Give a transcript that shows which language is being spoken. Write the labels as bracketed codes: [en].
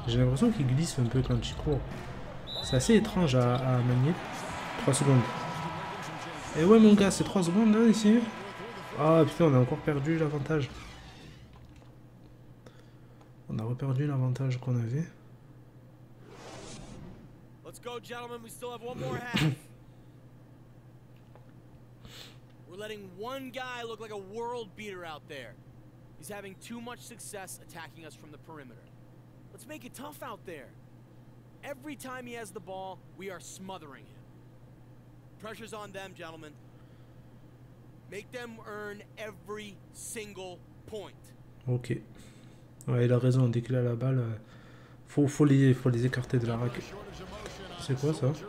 [fr] J'ai l'impression qu'il glisse un peu quand il court. C'est assez étrange à manier. 3 secondes. Et ouais mon gars, c'est 3 secondes hein, ici. Ah putain, on a encore perdu l'avantage. On a reperdu l'avantage qu'on avait. [en] Go, gentlemen, we still have one more half. We're letting one guy look like a world beater out there. He's having too much success attacking us from the perimeter. Let's make it tough out there. Every time he has the ball, we are smothering him. Pressure's on them, gentlemen. Make them earn every single point. Okay. [fr] Ouais, il a raison, dès qu'il a la balle, faut les écarter de la raquette. C'est quoi ça?